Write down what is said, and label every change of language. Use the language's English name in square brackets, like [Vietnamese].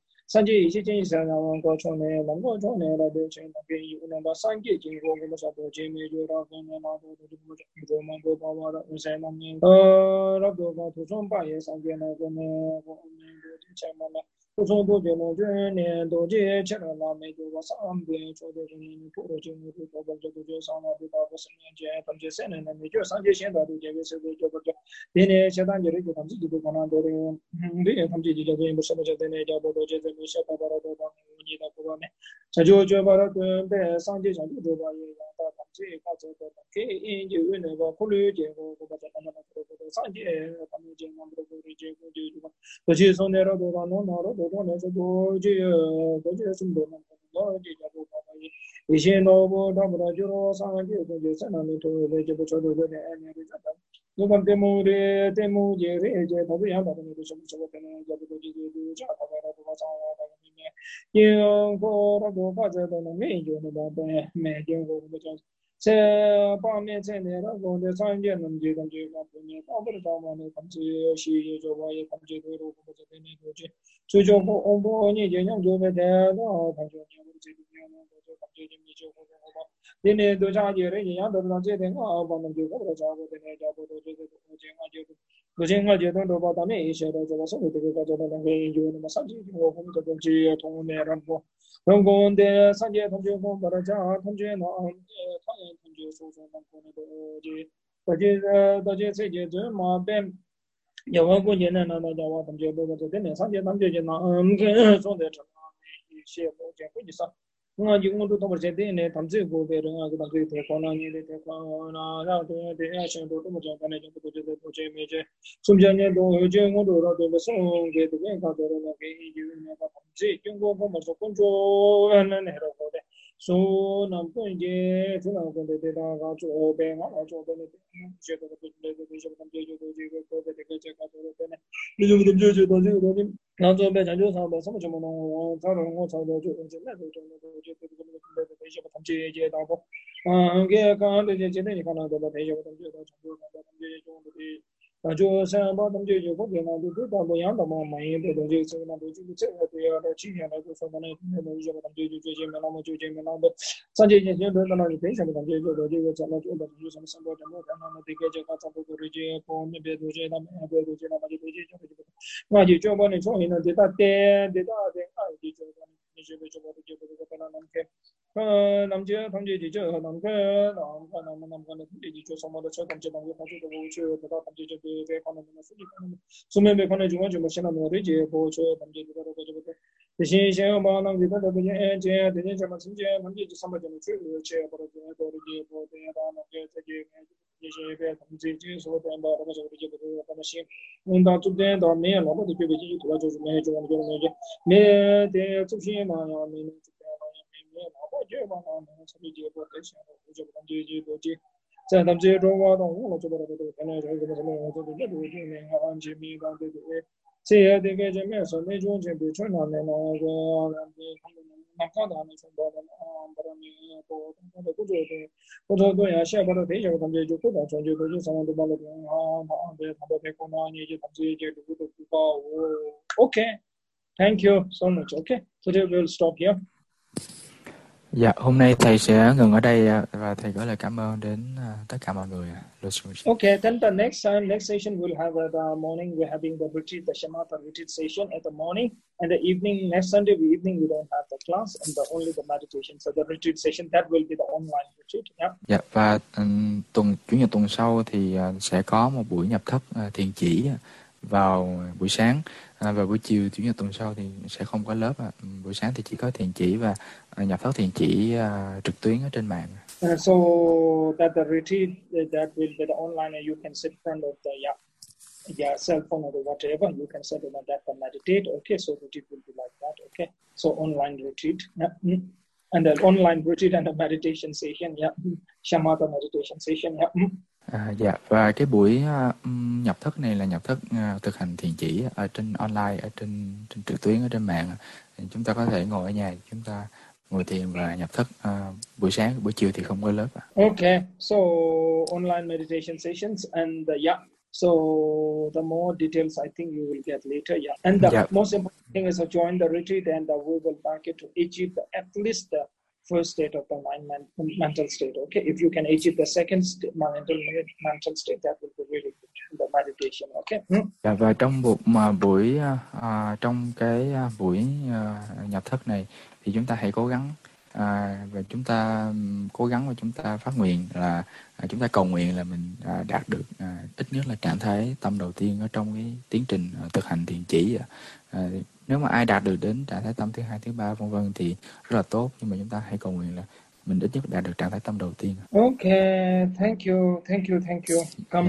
[English] thank you so much. Okay, today we'll stop here. [Vietnamese] Dạ, hôm nay thầy sẽ ngừng ở đây và thầy gửi lời cảm ơn đến tất cả mọi người. [English] Okay, then the next time, next session we'll have the morning, we're having the retreat, the Shema for retreat session at the morning, and the evening, next Sunday evening, we don't have the class and the only the meditation. So the retreat session, that will be the online retreat. Yeah. [Vietnamese] Dạ, và tuần chủ nhật tuần sau thì sẽ có một buổi nhập thất thiền chỉ vào buổi sáng, và buổi chiều chủ nhật tuần sau thì sẽ không có lớp à. Buổi sáng thì chỉ có thiền chỉ và nhập thất thiền chỉ trực tuyến ở trên mạng. [English] So that the retreat that will be the online and you can sit in front of the cell phone or whatever you can sit in the back and meditate. Okay, so retreat will be like that. Okay, so online retreat, and then online retreat and a meditation session, shamatha meditation session, [Vietnamese] Dạ, và cái buổi nhập thất này là nhập thất thực hành thiền chỉ ở trên online, ở trên trực tuyến, ở trên mạng. Chúng ta có thể ngồi ở nhà, chúng ta ngồi thiền và nhập thất buổi sáng, buổi chiều thì không có lớp. [English] Okay, so online meditation sessions and so the more details I think you will get later. Yeah, and the [Vietnamese] Dạ. [English] most important thing is to join the retreat and we will back it to achieve the at least the first state of the mind, mental state. Okay, if you can achieve the second state, mental state, that will be really good. The meditation. Okay. [Vietnamese] Dạ, và trong một mà buổi trong cái buổi nhập thất này thì chúng ta hãy cố gắng. Và chúng ta cố gắng và chúng ta phát nguyện là chúng ta cầu nguyện là mình đạt được ít nhất là trạng thái tâm đầu tiên ở trong cái tiến trình thực hành thiền chỉ. Nếu mà ai đạt được đến trạng thái tâm thứ hai, thứ ba, vân vân thì rất là tốt, nhưng mà chúng ta hãy cầu nguyện là mình ít nhất đạt được trạng thái tâm đầu tiên. [English] Okay, thank you, thank you, thank you. Come